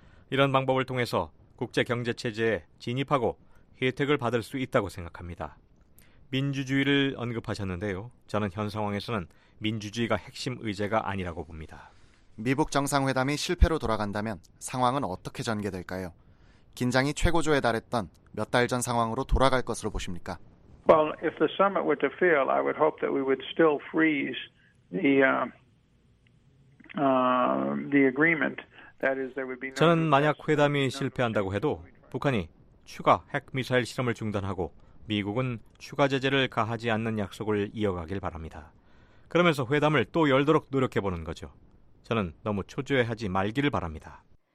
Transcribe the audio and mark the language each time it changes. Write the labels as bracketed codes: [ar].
[ko] 이런 방법을 통해서 국제 경제 체제에 진입하고 혜택을 받을 수 있다고 생각합니다. 민주주의를 언급하셨는데요. 저는 현 상황에서는 민주주의가 핵심 의제가 아니라고 봅니다. 미북 정상회담이 실패로 돌아간다면 상황은 어떻게 전개될까요? 긴장이 최고조에 달했던 몇 달 전 상황으로 돌아갈 것으로 보십니까? [en] Well, if the summit were to fail, I would hope that we would still freeze the agreement. That is, there would be no. [ko] 저는 만약 회담이 실패한다고 해도 북한이 추가 핵 미사일 실험을 중단하고 미국은 추가 제재를 가하지 않는 약속을 이어가길 바랍니다. 그러면서 회담을 또 열도록 노력해 보는 거죠. 저는 너무 초조해하지 말기를 바랍니다.